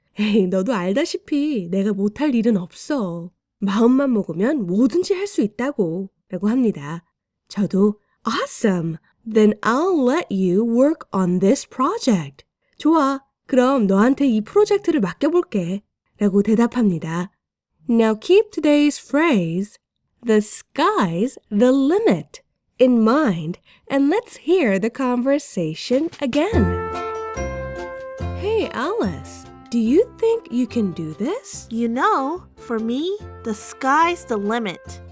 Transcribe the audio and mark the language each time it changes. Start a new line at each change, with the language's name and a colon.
Korean: 에이, 너도 알다시피 내가 못할 일은 없어. 마음만 먹으면 뭐든지 할 수 있다고 라고 합니다. 저도
English: Awesome! Then I'll let you work on this project.
Korean: 좋아, 그럼 너한테 이 프로젝트를 맡겨볼게. 라고 대답합니다.
English: Now keep today's phrase, the sky's the limit, in mind, and let's hear the conversation again. Hey, Alice, do you think you can do this? You know, for me, the sky's the limit.